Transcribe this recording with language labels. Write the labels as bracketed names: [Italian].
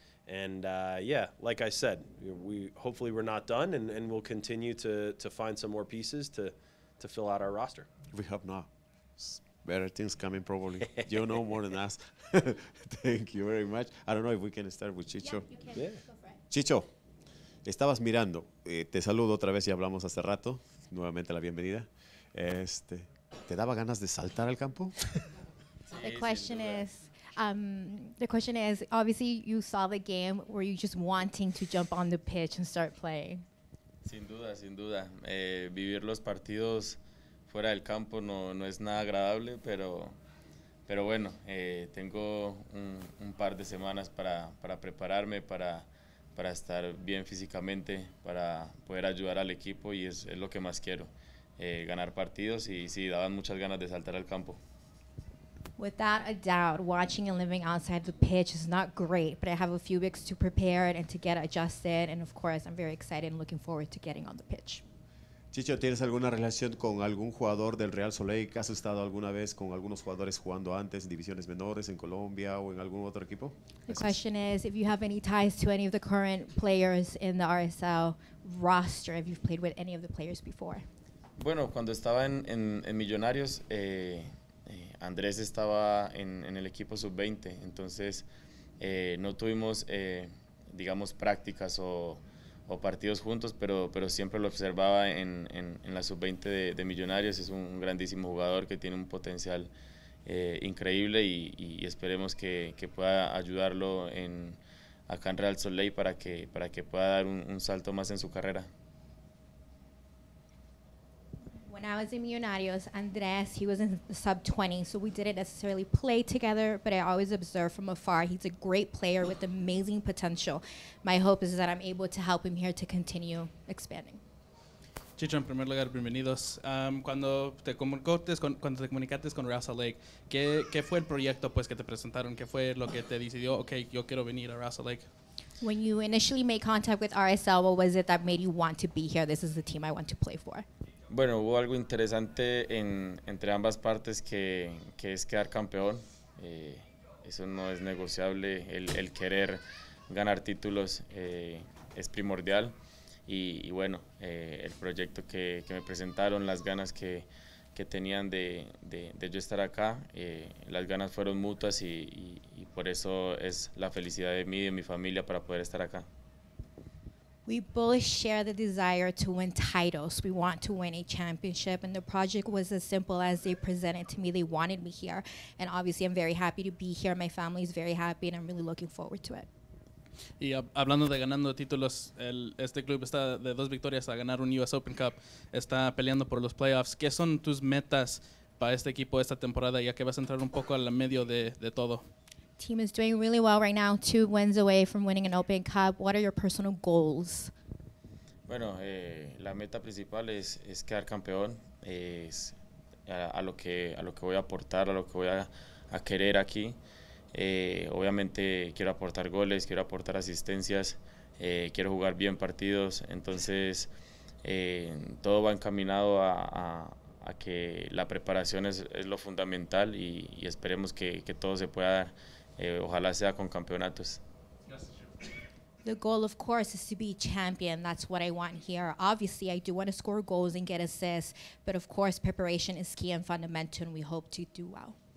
[English] And like I said, we're not done, and we'll continue to find some more pieces to fill out our roster. We hope not. Better things coming, probably. You know more than us. Thank you very much. I don't know if we can start with Chicho. Yeah, you can. Yeah. [Spanish] Chicho, estabas mirando. Te saludo otra vez y hablamos hace rato. Nuevamente la bienvenida. ¿Te daba ganas de saltar al campo? [English] The question is, obviously you saw the game. Were you just wanting to jump on the pitch and start playing? [Spanish] Sin duda. Vivir los partidos fuera del campo no es nada agradable, pero bueno, tengo un par de semanas para prepararme, para estar bien físicamente, para poder ayudar al equipo, y es lo que más quiero, ganar partidos, y sí, daban muchas ganas de saltar al campo. [English] Without a doubt, watching and living outside the pitch is not great, but I have a few weeks to prepare and to get adjusted, and of course, I'm very excited and looking forward to getting on the pitch. [Spanish] Chicho, ¿tienes alguna relación con algún jugador del Real Salt Lake? ¿Has estado alguna vez con algunos jugadores jugando antes en divisiones menores en Colombia o en algún otro equipo? [English] The question is, if you have any ties to any of the current players in the RSL roster, if you've played with any of the players before. [Spanish] Bueno, cuando estaba en Millonarios, Andrés estaba en el equipo sub-20, entonces no tuvimos, digamos, prácticas o partidos juntos, pero siempre lo observaba en la sub-20 de Millonarios. Es un grandísimo jugador que tiene un potencial increíble y esperemos que pueda ayudarlo en acá en Real Salt Lake para que pueda dar un salto más en su carrera. [English] When I was in Millonarios, Andres, he was in the sub-20, so we didn't necessarily play together, but I always observed from afar. He's a great player with amazing potential. My hope is that I'm able to help him here to continue expanding. [Spanish] Chicho, en primer lugar, bienvenidos. Cuando te comunicaste con Real Salt Lake, ¿qué fue el proyecto pues, que te presentaron? ¿Qué fue lo que te decidió, okay, yo quiero venir a Real Salt Lake? [English] When you initially made contact with RSL, what was it that made you want to be here? This is the team I want to play for. [Spanish] Bueno, hubo algo interesante entre ambas partes que es quedar campeón. Eso no es negociable. El querer ganar títulos es primordial. Y bueno, el proyecto que me presentaron, las ganas que tenían de yo estar acá, las ganas fueron mutuas y por eso es la felicidad de mí y de mi familia para poder estar acá. [English] We both share the desire to win titles. We want to win a championship, and the project was as simple as they presented to me. They wanted me here, and obviously I'm very happy to be here. My family is very happy, and I'm really looking forward to it. [Spanish] Y hablando de ganando títulos, este club está de dos victorias a ganar un US Open Cup, está peleando por los playoffs. ¿Qué son tus metas para este equipo esta temporada, ya que vas a entrar un poco al medio de todo? [English] Team is doing really well right now, two wins away from winning an Open Cup. What are your personal goals? [Spanish] Bueno, la meta principal es quedar campeón. Es a lo que voy a aportar, a lo que voy a querer aquí. Obviamente quiero aportar goles, quiero aportar asistencias, quiero jugar bien partidos. Entonces, todo va encaminado a que la preparación es lo fundamental y esperemos que todo se pueda dar. Ojalá sea con campeonatos. [English] The goal, of course, is to be champion. That's what I want here. Obviously, I do want to score goals and get assists, but of course, preparation is key and fundamental, and we hope to do well.